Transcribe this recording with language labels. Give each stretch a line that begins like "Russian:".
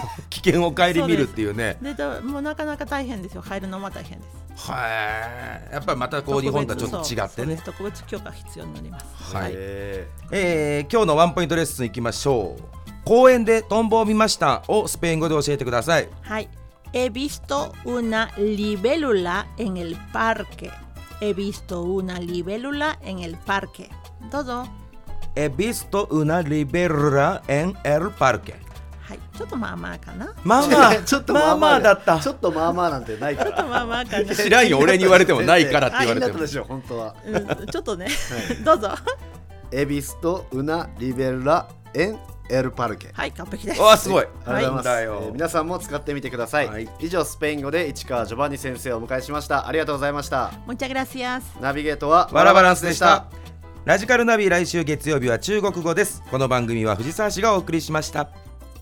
Japanese: 危険を顧みるっていうね。うで、もうなかなか大変ですよ、入るのも大変です。はい、やっぱりまたこう日本とはちょっと違ってね、特別許可必要になります。はい、今日のワンポイントレッスンいきましょう。公園でトンボを見ましたをスペイン語で教えてください。
Spanish: はい、He visto una libélula en el parque. He visto una libélula en el parque.
Japanese: どうぞ。
Spanish: He visto una libélula en el parque.
Japanese: はい、ちょっとまあまあかな。まあまあ、ちょっとまあまあだった。ちょっとまあまあなんてないから。ちょっとまあまあかな。知らんよ、俺に言われてもないからって言われても。あ、いいなったでしょ、本当は。うん、ちょっとね、はい、どうぞ。
Spanish: He visto una libélula en el parque。
Japanese: はい、完璧です。わあ、すごい。ありがとうございます。皆さんも使ってみてください。はい、以上、スペイン語で市川ジョバンニ先生をお迎えしました。ありがとうございました。
Spanish: Muchas gracias。
Japanese: ナビゲートはワラバランスでした。ラジカルナビ、来週月曜日は中国語です。この番組は藤沢氏がお送りしました。